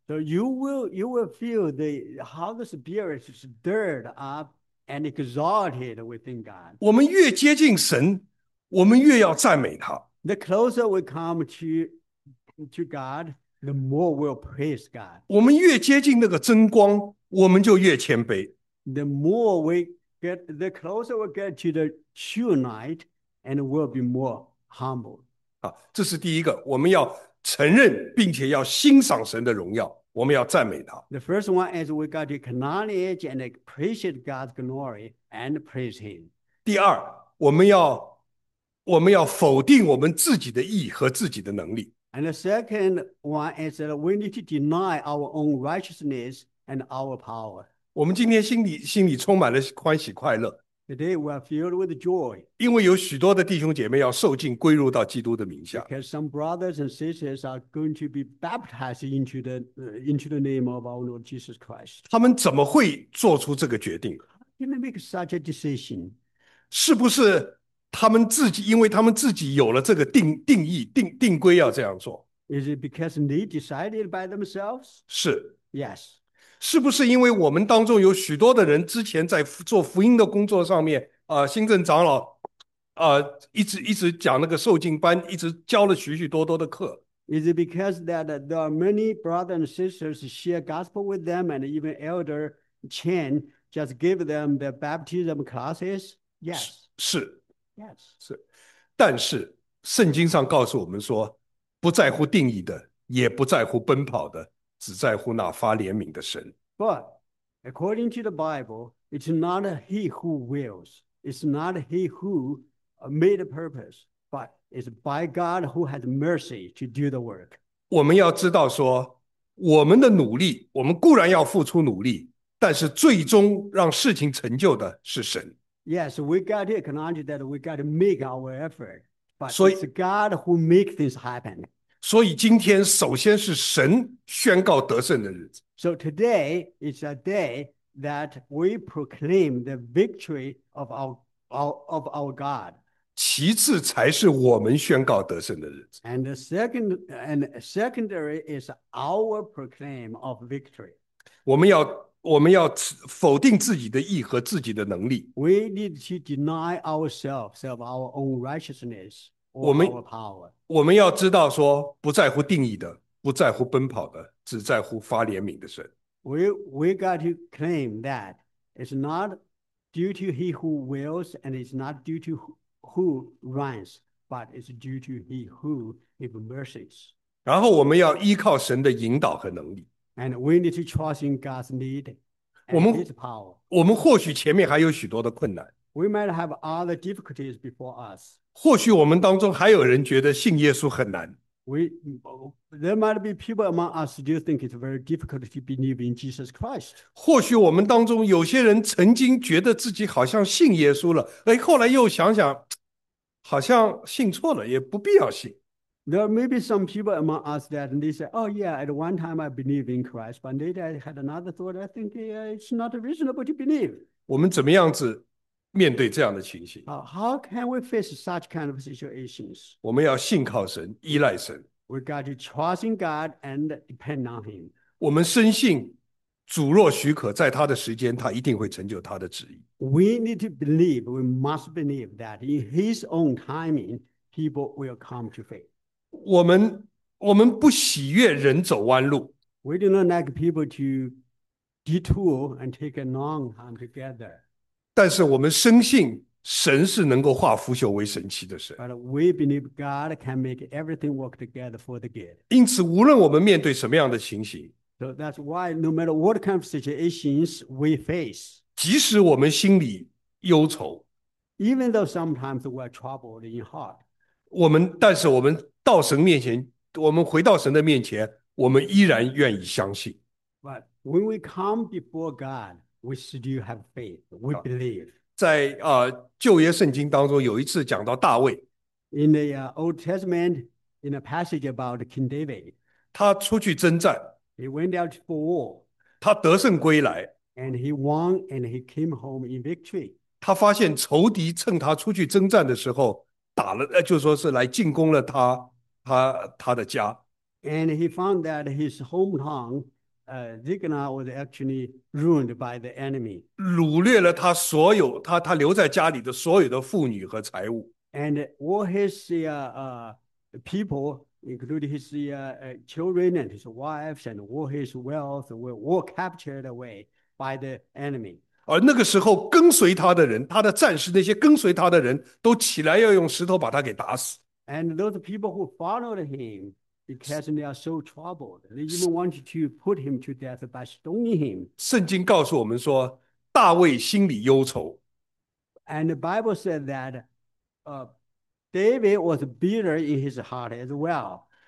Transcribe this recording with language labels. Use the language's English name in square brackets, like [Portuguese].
[English] So you will feel how the spirit is stirred up and exalted within God. [Chinese] 我们越接近神，我们越要赞美他。 [English] The closer we come to God, the more we'll praise God. [Chinese] 我们越接近那个真光，我们就越谦卑。 [English] The more we the closer we get to the true light, and we'll be more humble. [Chinese] 这是第一个，我们要承认并且要欣赏神的荣耀，我们要赞美他。 [English] The first one is we got to acknowledge and appreciate God's glory and praise Him. [Chinese] 第二，我们要否定我们自己的义和自己的能力。 [English] And the second one is that we need to deny our own righteousness and our power. [Chinese] 我们今天心里充满了欢喜快乐。 [English] Today we are filled with joy. [Chinese] 因为有许多的弟兄姐妹要受浸归入到基督的名下。 [English] Because some brothers and sisters are going to be baptized into the name of our Lord Jesus Christ. [Chinese] 他们怎么会做出这个决定？ [English] How can they make such a decision? [Chinese] 是不是他们自己，因为他们自己有了这个定规要这样做？ [English] Is it because they decided by themselves? [Chinese] 是。 [English] Yes. [Chinese] 是不是因为我们当中有许多的人之前在做福音的工作上面，新政长老，一直讲那个受浸班，一直教了许许多多的课。 [English] Is it because that there are many brothers and sisters share gospel with them, and even Elder Chen just give them the baptism classes? Yes. [Chinese] 是。 [English] Yes. [Chinese] 是。但是圣经上告诉我们说，不在乎定义的，也不在乎奔跑的。只在乎那发怜悯的神。 [English] But according to the Bible, it's not he who wills, it's not he who made a purpose, but it's by God who has mercy to do the work. [Chinese] 我们要知道说，我们的努力，我们固然要付出努力，但是最终让事情成就的是神。 [English] Yes, we got to acknowledge that we got to make our effort, but it's God who makes things happen. [Chinese] 所以今天首先是神宣告得胜的日子。 [English] So today is a day that we proclaim the victory of our God. [Chinese] 其次才是我们宣告得胜的日子。 [English] And the second and secondary is our proclaim of victory. [Chinese] 我们要否定自己的义和自己的能力。 [English] We need to deny ourselves of our own righteousness. [Chinese] 我们要知道说，不在乎定义的，不在乎奔跑的，只在乎发怜悯的神。 [English] We got to claim that it's not due to he who wills and it's not due to who runs, but it's due to he who gives mercies. [Chinese] 然后我们要依靠神的引导和能力。 [English] And we need to trust in God's lead and his power. [Chinese] 我们或许前面还有许多的困难。 [English] We might have other difficulties before us. [Chinese] 或许我们当中还有人觉得信耶稣很难。 [English] There might be people among us who think it's very difficult to believe in Jesus Christ. [Chinese] 或许我们当中有些人曾经觉得自己好像信耶稣了，哎，后来又想想，好像信错了，也不必要信。 [English] There may be some people among us that they say, "Oh yeah, at one time I believed in Christ, but later I had another thought. I think it's not reasonable to believe." [Chinese] 我们怎么样子面对这样的情形？ [English] How can we face such kind of situations? [Chinese] 我们要信靠神，依赖神。 [English] We got to trust in God and depend on Him. [Chinese] 我们深信主若许可，在他的时间，他一定会成就他的旨意。 [English] We need to believe, we must believe that in His own timing, people will come to faith. [Chinese] 我们不喜悦人走弯路。 [English] We do not like people to detour and take a long time together. [Chinese] 但是我们深信神是能够化腐朽为神奇的神。 [English] But we believe God can make everything work together for the good. [Chinese] 因此，无论我们面对什么样的情形 [English] ，So that's why no matter what kind of situations we face, [Chinese] 即使我们心里忧愁 [English] ，Even though sometimes we're troubled in heart, [Chinese] 但是我们到神面前，我们回到神的面前，我们依然愿意相信。 [English] But when we come before God, we still have faith. We believe. [Chinese] 在旧约圣经当中，有一次讲到大卫。 [English] In the Old Testament, in a passage about King David, [Chinese] 他出去征战。 [English] He went out for war. [Chinese] 他得胜归来。 [English] And he won, and he came home in victory. [Chinese] 他发现仇敌趁他出去征战的时候打了，就说是来进攻了他的家。 [English] And he found that his hometown, Ziklag was actually ruined by the enemy. [Chinese] 掳掠了他所有他留在家里的所有的妇女和财物。 [English] And all his people, including his children and his wives and all his wealth, were all captured away by the enemy. [Chinese] 而那个时候，跟随他的人，他的战士，那些跟随他的人都起来要用石头把他给打死。 [English] And those people who followed him, because they are so troubled, they even wanted to put him to death by stoning him. [Chinese] 圣经告诉我们说，大卫心里忧愁。 [English] And the Bible said that, David was bitter in his heart as well.